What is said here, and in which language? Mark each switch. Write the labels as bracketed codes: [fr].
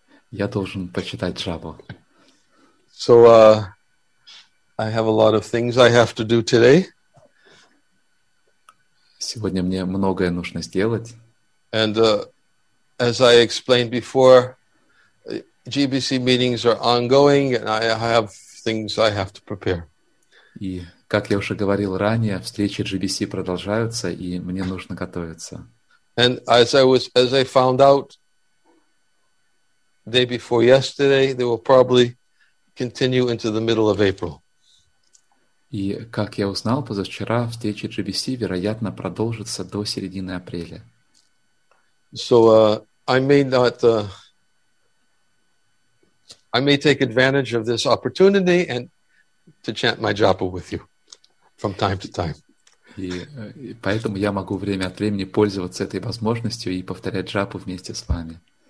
[ru] Я должен почитать джапу. [en] So I have a lot of things I have to do today. [ru] Сегодня мне многое нужно сделать. [en] And as I explained before, GBC meetings are ongoing, and I have things I have to prepare. [ru] И как я уже говорил ранее, встречи GBC продолжаются, и мне нужно готовиться. [en] And as I found out day before yesterday, they will probably continue into the middle of April. [ru] И как я узнал позавчера, встречи GBC вероятно продолжатся до середины апреля. [en] So I may take advantage of this opportunity and to chant my japa with you from time to time. [ru] И поэтому я могу время от времени пользоваться этой возможностью и повторять джапу вместе с вами.